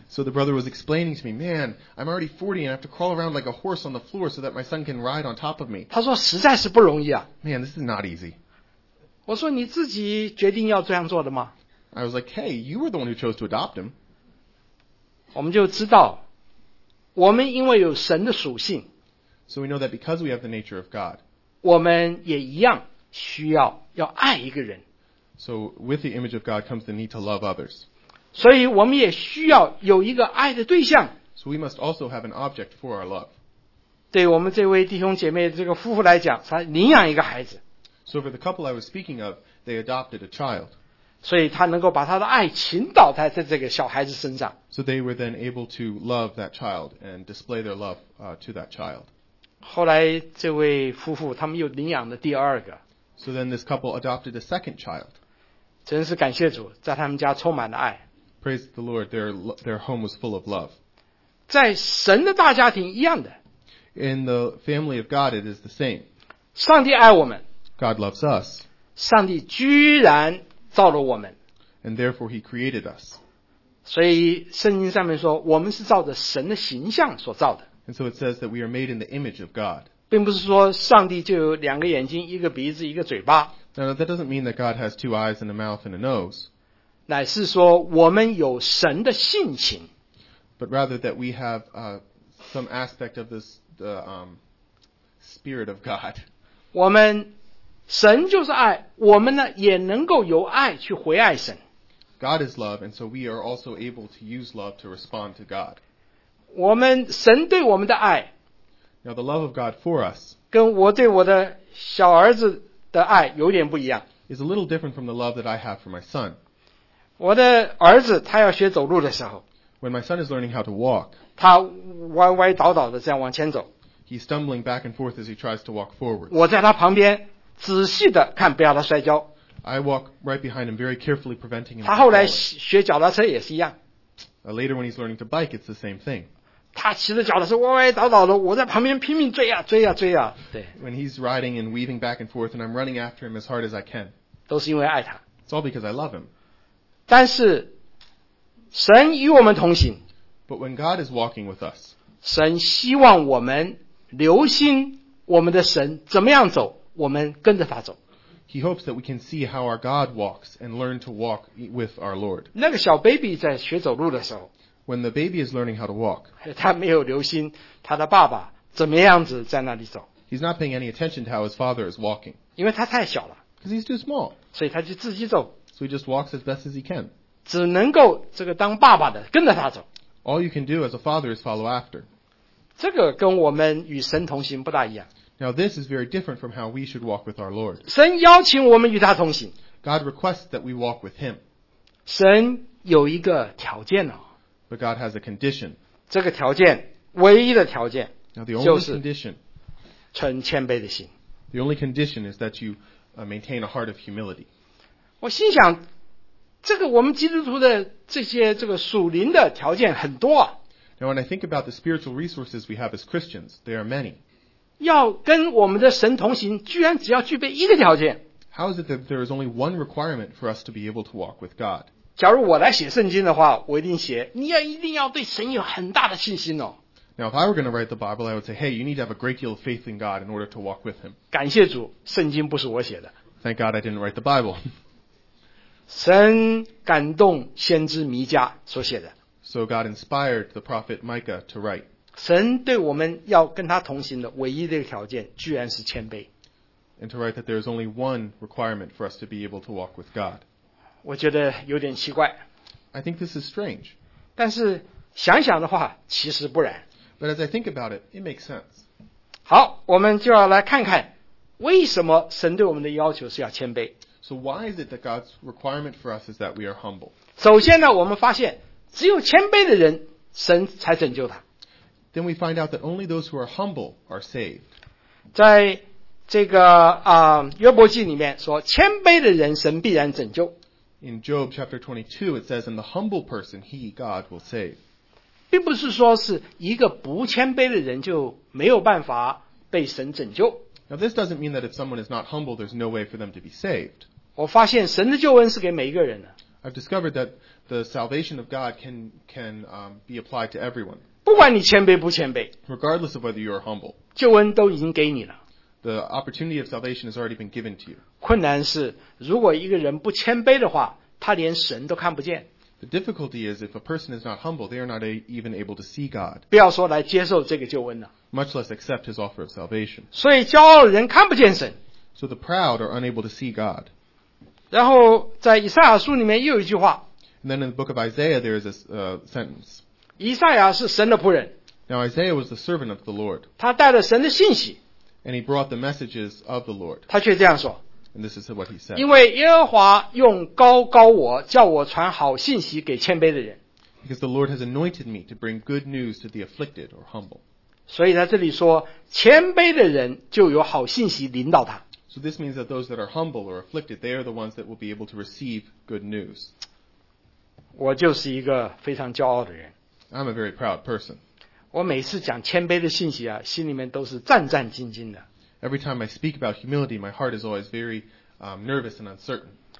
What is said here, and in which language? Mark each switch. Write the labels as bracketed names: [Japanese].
[English] So the brother was explaining to me, man, I'm already 40 and I have to crawl around like a horse on the floor so that my son can ride on top of me. [Chinese] 他说实在是不容易啊。 [English] Man, this is not easy. [Chinese] 我说你自己决定要这样做的吗 [English] ？I was like, hey, you were the one who chose to adopt him. [Chinese] 我们就知道，我们因为有神的属性 [English] ，so we know that because we have the nature of God, [Chinese] 我们也一样需要要爱一个人。 [English] So with the image of God comes the need to love others. [Chinese] 所以我们也需要有一个爱的对象。 [English] So we must also have an object for our love. [Chinese] 对我们这位弟兄姐妹这个夫妇来讲，他领养一个孩子。 [English] So for the couple I was speaking of, they adopted a child. [Chinese] 所以他能够把他的爱倾倒在这个小孩子身上。 [English] So they were then able to love that child and display their love, to that child. [Chinese] 后来这位夫妇他们又领养了第二个。 [English] So then this couple adopted a second child. [Chinese] 真是感谢主，在他们家充满了爱。 [English] Praise the Lord, their home was full of love. [Chinese] 在神的大家庭一样的。 [English] In the family of God, it is the same. [Chinese] 上帝爱我们。 [English] God loves us. [Chinese] 上帝居然造了我们。 [English] And therefore he created us. [Chinese] 所以圣经上面说我们是照着神的形象所造的。 [English] And so it says that we are made in the image of God. [Chinese] 并不是说上帝就有两个眼睛一个鼻子一个嘴巴。 [English] Now that doesn't mean that God has two eyes and a mouth and a nose. [Chinese] 乃是说我们有神的性情。 [English] But rather that we have some aspect of this, the spirit of God. [Chinese] 我们神就是爱，我们呢也能够由爱去回爱神。 [English] God is love, and so we are also able to use love to respond to God. [Chinese] 我们神对我们的爱 [English] ，Now the love of God for us， [Chinese] 跟我对我的小儿子的爱有点不一样。 [English] Is a little different from the love that I have for my son. [Chinese] 我的儿子他要学走路的时候 [English] ，When my son is learning how to walk， [Chinese] 他歪歪倒倒的这样往前走 [English] ，He's stumbling back and forth as he tries to walk forward. [Chinese] 我在他旁边。仔细的看，不要他摔跤。 [English] I walk right behind him, very carefully preventing him. [Chinese] 他后来学脚踏车也是一样。 [English] Later when he's learning to bike, it's the same thing. [Chinese] 他骑着脚踏车歪歪倒倒的，我在旁边拼命追啊追啊追啊。对。 [English] When he's riding and weaving back and forth, and I'm running after him as hard as I can. [Chinese] 都是因为爱他。 [English] It's all because I love him. [Chinese] 但是神与我们同行。 [English] But when God is walking with us, [Chinese] 神希望我们留心我们的神怎么样走。我们跟着他走。 [English] He hopes that we can see how our God walks and learn to walk with our Lord. [Chinese] 那个小 baby 在学走路的时候 [English] ，When the baby is learning how to walk， [Chinese] 他没有留心他的爸爸怎么样子在那里走。 [English] He's not paying any attention to how his father is walking， [Chinese] 因为他太小了。 [English] Because he's too small， [Chinese] 所以他就自己走。 [English] So he just walks as best as he can， [Chinese] 只能够这个当爸爸的跟着他走。 [English] All you can do as a father is follow after， [Chinese] 这个跟我们与神同行不大一样。 [English] Now this is very different from how we should walk with our Lord. [Chinese] 神邀请我们与他同行。 [English] God requests that we walk with him. [Chinese] 神有一个条件哦。 [English] But God has a condition. [Chinese] 这个条件，唯一的条件。 [English] Now the only condition. [Chinese] 存谦卑的心。 [English] The only condition is that you maintain a heart of humility. [Chinese] 我心想，这个我们基督徒的这些这个属灵的条件很多啊。 [English] Now when I think about the spiritual resources we have as Christians, there are many. [Chinese] 要跟我们的神同行，居然只要具备一个条件。 [English] How is it that there is only one requirement for us to be able to walk with God? [Chinese] 假如我来写圣经的话，我一定写，你要一定要对神有很大的信心哦。 [English] Now, if I were going to write the Bible, I would say, "Hey, you need to have a great deal of faith in God in order to walk with Him." [Chinese] 感谢主，圣经不是我写的。 [English] Thank God I didn't write the Bible. [Chinese] 神感动先知弥迦所写的。 [English] So God inspired the prophet Micah to write. [Chinese] 神对我们要跟他同行的唯一的条件居然是谦卑。 [English] And to write that there is only one requirement for us to be able to walk with God. [Chinese] 我觉得有点奇怪。 [English] I think this is strange. [Chinese] 但是想想的话，其实不然。 [English] But as I think about it, it makes sense. [Chinese] 好，我们就要来看看为什么神对我们的要求是要谦卑。 [English] So why is it that God's requirement for us is that we are humble? [Chinese] 首先呢，我们发现只有谦卑的人，神才拯救他。 [English] Then we find out that only those who are humble are saved. [Chinese] 在这个约伯记里面说，谦卑的人神必然拯救。 [English] In Job chapter 22, it says, "And the humble person, he, God, will save." [Chinese] 并不是说是一个不谦卑的人就没有办法被神拯救。 [English] Now this doesn't mean that if someone is not humble, there's no way for them to be saved. [Chinese] 我发现神的救恩是给每一个人的。 [English] I've discovered that the salvation of God can be applied to everyone. [Chinese] 不管你谦卑不谦卑。 [English] Regardless of whether you are humble. [Chinese] 救恩都已经给你了。 [English] The opportunity of salvation has already been given to you. [Chinese] 困难是，如果一个人不谦卑的话，他连神都看不见。 [English] The difficulty is, if a person is not humble, they are not even able to see God. [Chinese] 不要说来接受这个救恩了。 [English] Much less accept his offer of salvation. [Chinese] 所以骄傲的人看不见神。 [English] So the proud are unable to see God. [Chinese] 然后在以赛亚书里面又有一句话。 [English] And then in the book of Isaiah, there is a sentence. [Chinese] 以赛亚是神的仆人。 [English] Now Isaiah was the servant of the Lord. [Chinese] 他带着神的信息。 [English] And he brought the messages of the Lord. [Chinese] 他却这样说。 [English] And this is what he said. [Chinese] 因为耶和华用膏膏我，叫我传好信息给谦卑的人。 [English] Because the Lord has anointed me to bring good news to the afflicted or humble. [Chinese] 所以在这里说，谦卑的人就有好信息临到他。 [English] So this means that those that are humble or afflicted, they are the ones that will be able to receive good news. [Chinese] 我就是一个非常骄傲的人。 [English] I'm a very proud person. [Chinese] 我每次讲谦卑的信息啊，心里面都是战战兢兢的。 [English] Every time I speak about humility, my heart is always very nervous and uncertain.